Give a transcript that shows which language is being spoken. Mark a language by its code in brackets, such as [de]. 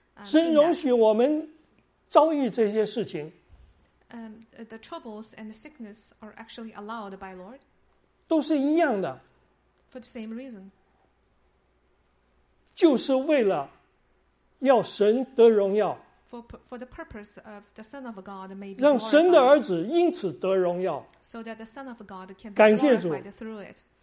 [zh] 神容许我们遭遇这些事情。 [en] The troubles and the sickness are actually allowed by Lord. [zh] 都是一样的。 [en] For the same reason. [zh] 就是为了要神得荣耀。 [en] For the purpose of the Son of God may be glorified, [zh] 让神的儿子因此得荣耀。 [en] So that the Son of God can be glorified through it.